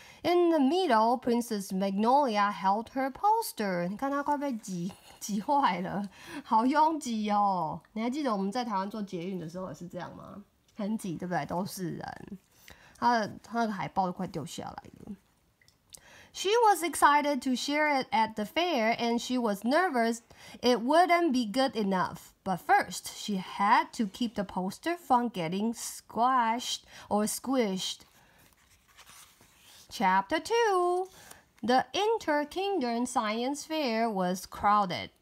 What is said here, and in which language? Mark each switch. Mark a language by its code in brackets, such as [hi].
[en] In the middle, Princess Magnolia held her poster. [zh] 你看她快被挤坏了，好拥挤哦！你还记得我们在台湾做捷运的时候也是这样吗？很挤，对不对？都是人，他那个海报都快掉下来了。 [en] She was excited to share it at the fair, and she was nervous it wouldn't be good enough. But first, she had to keep the poster from getting squashed or squished. Chapter 2. The Inter-Kingdom Science Fair was crowded.